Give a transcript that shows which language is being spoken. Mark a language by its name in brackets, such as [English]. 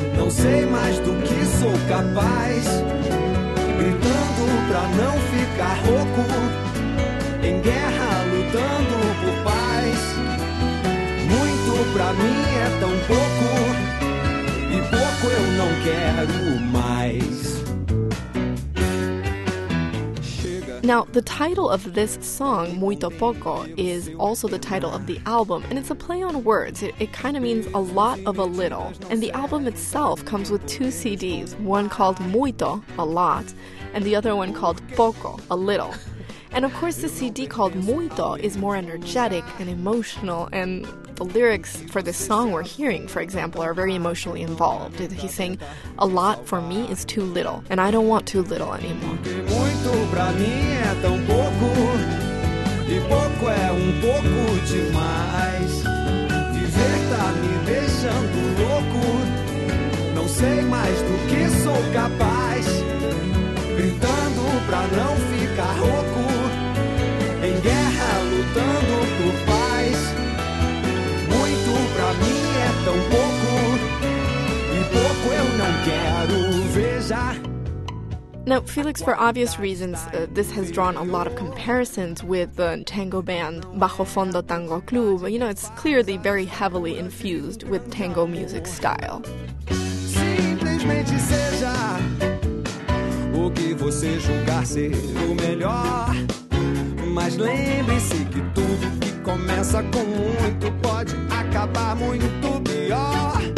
[Portuguese] sei mais do que sou capaz. Gritando pra não ficar rouco, em guerra lutando por paz. Muito pra mim é tão pouco, e pouco eu não quero mais. [English] Now, the title of this song, Muito Poco, is also the title of the album, and it's a play on words. It kind of means a lot of a little. And the album itself comes with two CDs, one called Muito, a lot, and the other one called Poco, a little. And of course, the CD called Muito is more energetic and emotional, and the lyrics for this song we're hearing, for example, are very emotionally involved. He's saying, a lot for me is too little, and I don't want too little anymore. [Portuguese] Muito pra mim é tão pouco, e pouco é pouco demais. Viver tá me deixando louco, não sei mais do que sou capaz. Gritando pra não ficar rouco, em guerra lutando por paz. Muito pra mim é tão pouco, e pouco eu não quero ver. [English] Now, Felix, for obvious reasons, this has drawn a lot of comparisons with the tango band Bajo Fondo Tango Club. You know, it's clearly very heavily infused with tango music style. [Portuguese] Simplesmente seja o que você julgar ser o melhor. Mas lembre-se que tudo que começa com muito pode acabar muito pior.